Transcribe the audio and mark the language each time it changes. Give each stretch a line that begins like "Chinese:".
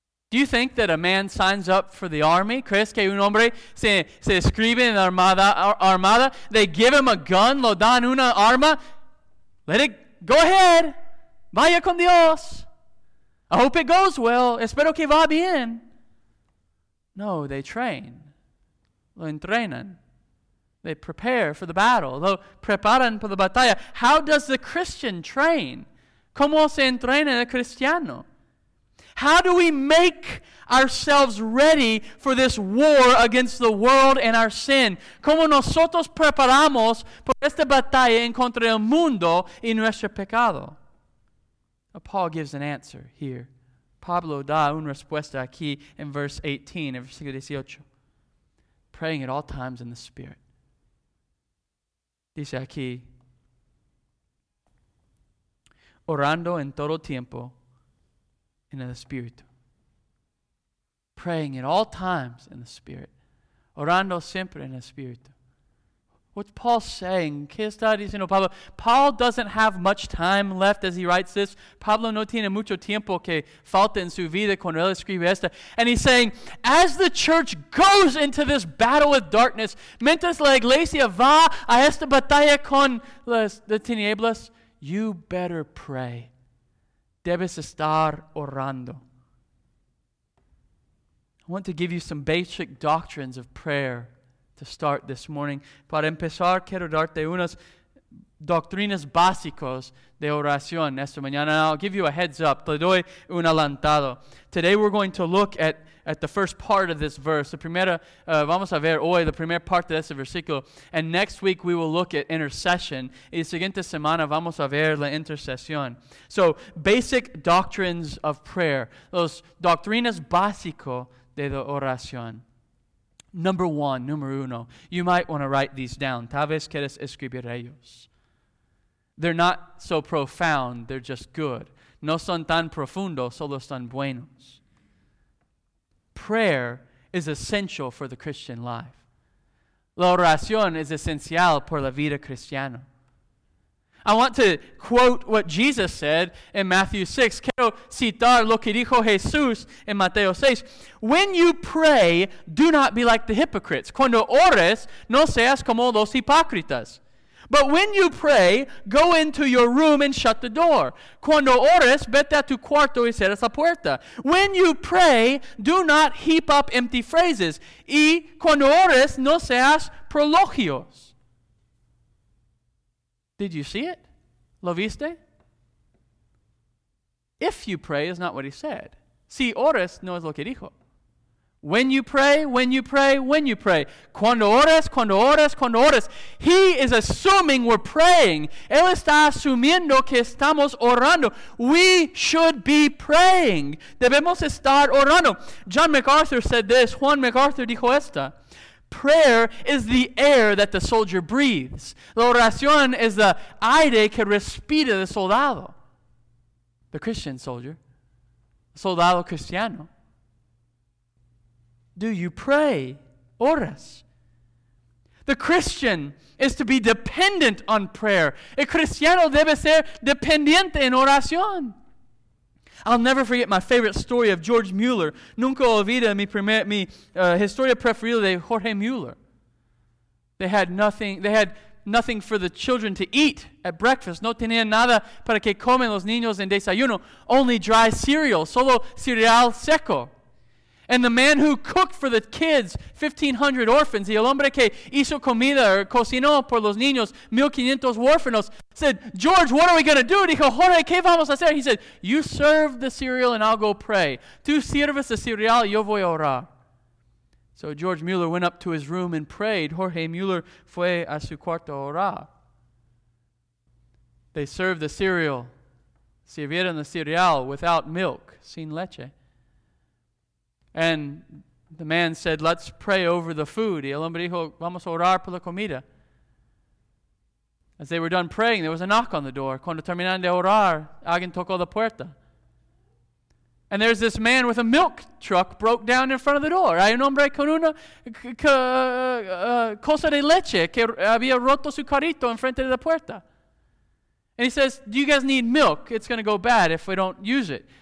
English: Do you think that a man signs up for the army?
Spanish: ¿Crees que un hombre se inscribe en la armada?
English: They give him a gun,
Spanish: lo dan una arma.
English: Let it go ahead.
Spanish: Vaya con Dios.
English: I hope it goes well.
Spanish: Espero que va bien.
English: No, they train.
Spanish: Lo entrenan.
English: They prepare for the battle.
Spanish: Lo preparan para la batalla.
English: How does the Christian train?
Spanish: ¿Cómo se entrena el cristiano?
English: How do we make ourselves ready for this war against the world and our sin?
Spanish: ¿Cómo nosotros preparamos por esta batalla en contra del mundo y nuestro pecado?
English: Paul gives an answer here.
Spanish: Pablo da una respuesta aquí
English: in verse 18, in versículo 18. Praying at all times in the Spirit.
Spanish: Dice aquí, orando en todo tiempo,
English: in the Spirit. Praying at all times in the Spirit.
Spanish: Orando siempre en el Espíritu.
English: What's Paul saying?
Spanish: ¿Qué está diciendo Pablo?
English: Paul doesn't have much time left as he writes this.
Spanish: Pablo no tiene mucho tiempo que falta en su vida cuando él escribe esta.
English: And he's saying, as the church goes into this battle with darkness,
Spanish: mientras la iglesia va a esta batalla con las tinieblas,
English: you better pray.
Spanish: Debes estar orando.
English: I want to give you some basic doctrines of prayer to start this morning.
Spanish: Para empezar, quiero darte unas doctrinas básicas de oración esta mañana.
English: I'll give you a heads up.
Spanish: Te doy un adelantado.
English: Today we're going to look at the first part of this verse.
Spanish: Vamos a ver hoy la primera parte de este versículo.
English: And next week we will look at intercession.
Spanish: Y siguiente semana vamos a ver la intercesión.
English: So, basic doctrines of prayer.
Spanish: Los doctrinas básicos de la oración.
English: Number one,
Spanish: número uno.
English: You might want to write these down.
Spanish: Tal vez quieres escribir ellos.
English: They're not so profound, they're just good.
Spanish: No son tan profundos, solo son buenos.
English: Prayer is essential for the Christian life.
Spanish: La oración es esencial por la vida cristiana.
English: I want to quote what Jesus said in Matthew 6.
Spanish: Quiero citar lo que dijo Jesús en Mateo 6.
English: When you pray, do not be like the hypocrites.
Spanish: Cuando ores, no seas como los hipócritas.
English: But when you pray, go into your room and shut the door.
Spanish: Cuando ores, vete a tu cuarto y cierra esa puerta.
English: When you pray, do not heap up empty phrases.
Spanish: Y cuando ores, no seas prologios.
English: Did you see it?
Spanish: ¿Lo viste?
English: If you pray is not what he said.
Spanish: Si ores, no es lo que dijo.
English: When you pray, when you pray, when you pray.
Spanish: Cuando ores, cuando ores, cuando ores.
English: He is assuming we're praying.
Spanish: Él está asumiendo que estamos orando.
English: We should be praying.
Spanish: Debemos estar orando.
English: John MacArthur said this.
Spanish: Juan MacArthur dijo esta.
English: Prayer is the air that the soldier breathes.
Spanish: La oración es el aire que respira el soldado.
English: The Christian soldier.
Spanish: Soldado cristiano.
English: Do you pray?
Spanish: Oras.
English: The Christian is to be dependent on prayer.
Spanish: El cristiano debe ser dependiente en oración.
English: I'll never forget my favorite story of George Mueller.
Spanish: Nunca olvida mi historia preferida de Jorge Mueller.
English: They had nothing for the children to eat at breakfast.
Spanish: No tenían nada para que comen los niños en desayuno.
English: Only dry cereal.
Spanish: Solo cereal seco.
English: And the man who cooked for the kids, 1,500 orphans,
Spanish: y el hombre que hizo comida or cocinó por los niños, 1,500 huérfanos,
English: said, George, what are we going to do?
Spanish: Dijo, Jorge, ¿qué vamos a hacer?
English: He said, you serve the cereal and I'll go pray.
Spanish: Tú sirves el cereal y yo voy a orar.
English: So George Mueller went up to his room and prayed.
Spanish: Jorge Mueller fue a su cuarto a orar.
English: They served the cereal,
Spanish: sirvieron
English: the cereal without milk,
Spanish: sin leche.
English: And the man said, let's pray over the food.
Spanish: Y el hombre dijo, vamos a orar por la comida.
English: As they were done praying, there was a knock on the door.
Spanish: Cuando terminaron de orar, alguien tocó la puerta.
English: And there's this man with a milk truck broke down in front of the door.
Spanish: Hay un hombre con una cosa de leche que había roto su carrito en frente de la puerta.
English: And he says, do you guys need milk? It's going to go bad if we don't use it.